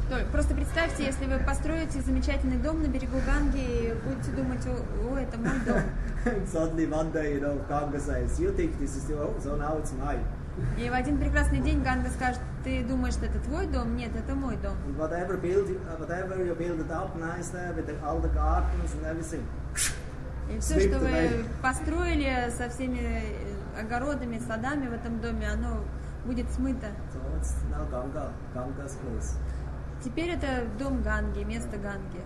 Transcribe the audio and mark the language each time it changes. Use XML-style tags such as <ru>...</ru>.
<ru>Просто представьте, если вы построите замечательный дом на берегу Ганги и будете думать, о, это мой дом.</ru> <en>Suddenly one day, you know, Ganga says, you think this is your home, so now it's mine.</en> <ru>И в один прекрасный день Ганга скажет, ты думаешь, что это твой дом? Нет, это мой дом.</ru> <en>And whatever you build it up nice there with all the gardens and everything.</en> <ru>И все, что вы построили со всеми огородами, садами в этом доме, оно будет смыто.</ru> <en>So it's now Ganga, Ganga's place.</en> <ru>Теперь это дом Ганги, место Ганги.</ru>